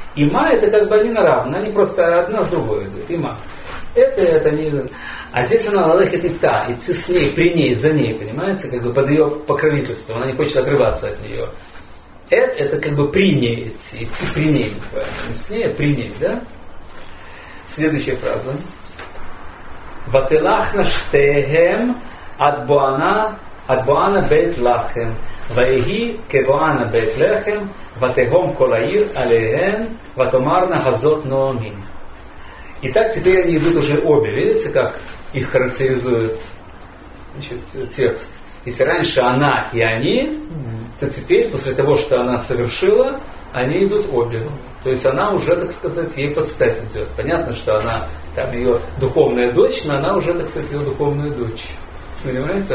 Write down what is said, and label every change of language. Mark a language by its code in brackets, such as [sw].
[ru] Има это как бы они на равны, они просто одна с другой идут, има. Это не... А здесь она лалехет и та, идти с ней, при ней, за ней, понимаете, как бы под ее покровительство, она не хочет отрываться от нее. Это как бы при ней идти, идти при ней, понимаете? С ней, при ней, да? Следующая фраза. [he] ותלחנה שתיהם עד בואנה בית לחם ויהי כבואנה בית לחם ותהום כל העיר עליהן ותאמרנה הזאת נעמי. [ru] Итак, теперь они идут уже обе. Видите, как их характеризует, значит, текст. Если раньше она и они, то теперь, после того, что она совершила, они идут обе. То есть она уже, так сказать, ей подстать идет. Понятно, что она там ее духовная дочь, но она уже, так сказать, ее духовная дочь. Понимаете?